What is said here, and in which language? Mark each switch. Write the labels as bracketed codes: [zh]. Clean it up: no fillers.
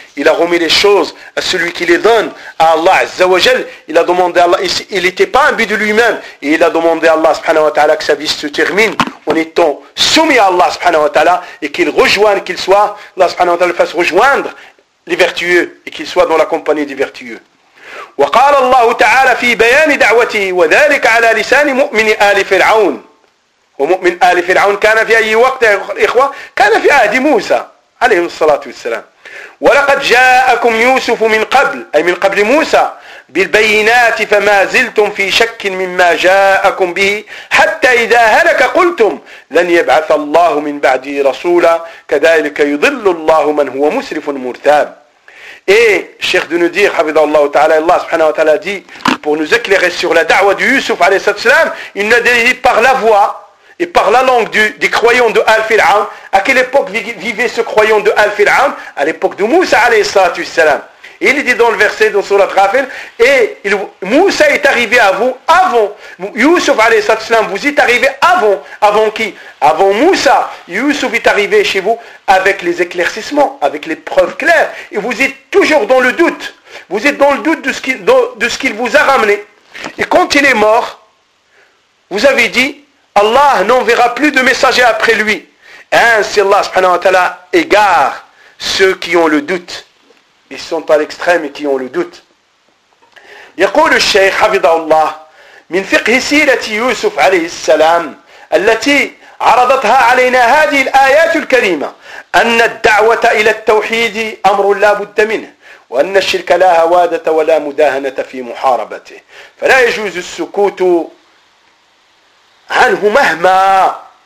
[fr] Il a remis les choses à celui qui les donne, à Allah Azza wa Jal. Il a demandé à Allah, il n'était pas un but de lui-même. Et il a demandé à Allah subhanahu wa ta'ala que sa vie se termine en étant soumis à Allah subhanahu wa ta'ala et qu'il rejoigne, qu'il soit, Allah subhanahu wa ta'ala fasse rejoindre les vertueux et qu'il soit dans la compagnie des vertueux. [ar] وقال الله تعالى في بيان دعوته وذلك على لسان مؤمن آل فرعون ومؤمن آل فرعون كان في أي وقت إخوة كان في عهد موسى عليه الصلاة والسلام ولقد جاءكم يوسف من قبل أي من قبل موسى بالبينات فما زلتم في شك مما جاءكم به حتى إذا هلك قلتم لن يبعث الله من بعده رسولا كذلك يضل الله من هو مسرف مرتاب [fr] Et Cheikh de nous dire, [ar] حفظه الله تعالى, [fr] Allah subhanahu wa ta'ala dit, pour nous éclairer sur la da'wa de Yusuf alayhi salam, il nous a dit par la voix et par la langue des croyants de Al-Fir'aun, à quelle époque vivait ce croyant de Al-Fir'aun? À l'époque de Moussa, alayhi salatu wassalam. Il dit dans le verset de Sourate Ghafir, et Moussa est arrivé à vous avant. Youssouf alayhi salatu salam, vous êtes arrivé avant. Avant qui? Avant Moussa. Youssouf est arrivé chez vous avec les éclaircissements, avec les preuves claires. Et vous êtes toujours dans le doute. Vous êtes dans le doute de ce qu'il vous a ramené. Et quand il est mort, vous avez dit, Allah n'enverra plus de messager après lui. Ainsi Allah subhanahu wa ta'ala égare ceux qui ont le doute. Ils sont à l'extrême et qui ont le doute. [ar] يقول الشيخ حفظه الله من فقه سيرة يوسف عليه السلام التي عرضتها علينا هذه الآيات الكريمة أن الدعوة إلى التوحيد أمر لا بد منه وأن الشرك لا هوادة ولا مداهنة في محاربته فلا يجوز السكوت عنه مهما